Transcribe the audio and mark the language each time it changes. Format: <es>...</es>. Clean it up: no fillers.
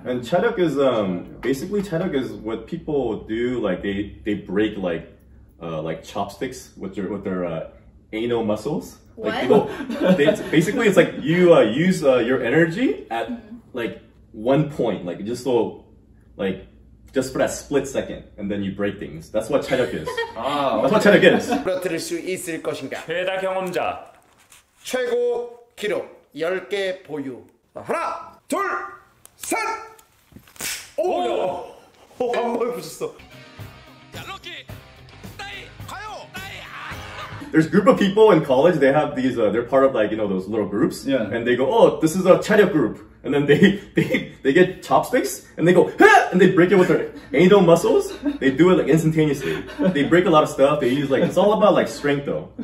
<en>And chaedeuk is basically chaedeuk is what people do, like they break like chopsticks with their anal muscles. What? Like people, basically it's like you use your energy at like one point, like just so like just for that split second, and then you break things. That's what chaedeuk is. Ah, that's okay. What chaedeuk is.</en> <ko>최다 경험자 최고 기록 10개 보유 하나 둘 셋 오 한 번 보셨어.</ko> <en>There's a group of people in college, they have these, they're part of like, you know, those little groups. Yeah. And they go, oh, this is a chaedeuk group. And then they get chopsticks, and they go, hah! And they break it with their anal muscles. They do it like instantaneously. They break a lot of stuff. They use like, it's all about like strength though.</en>